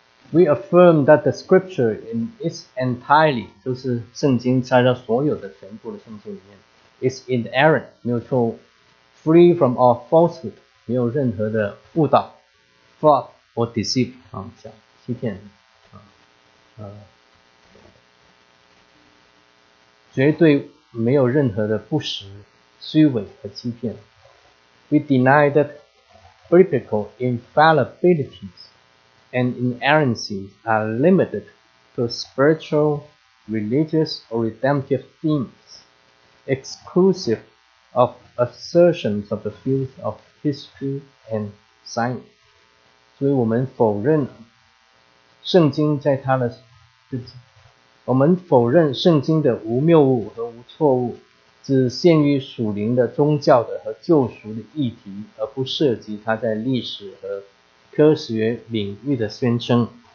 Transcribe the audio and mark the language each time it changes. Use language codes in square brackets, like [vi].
[en] We affirm that the scripture in its entirety, [zh] 就是圣经在它所有的全部的圣经里面 [en] ,is inerrant, [zh] 没有错误 [en] ,free from all falsehood, [zh] 没有任何的误导 [en] ,fraud or deceive, [zh] 讲欺骗。绝对没有任何的不实、虚伪和欺骗。 [en] We deny that biblical infallibilities and inerrancy are limited to spiritual, religious, or redemptive themes, exclusive of assertions of the fields of history and science. [zh] 所以我们否认圣经在它的，我们否认圣经的无谬误和无错误。只限于属灵的、宗教的和救赎的议题，而不涉及它在历史和科学领域的宣称。